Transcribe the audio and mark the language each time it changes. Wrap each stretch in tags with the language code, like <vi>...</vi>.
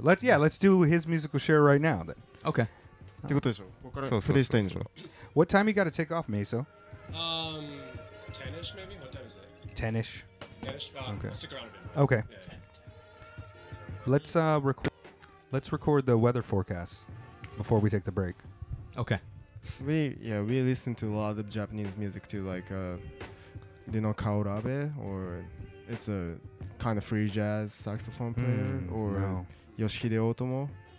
<en>Let's do his musical share right now then. Okay.</en> <ja>ってことでしょ。ここからプレイしたいんでしょ。</ja> <en>What time you got to take off, Meiso? 10-ish maybe? What time is it? 10-ish. Okay. Stick around a bit. Okay. Let's record the weather forecast before we take the break. Okay. We listen to a lot of Japanese music too, like you know, Kaorabe, or it's a kind of free jazz saxophone player, or Yoshihide Otomo.</en>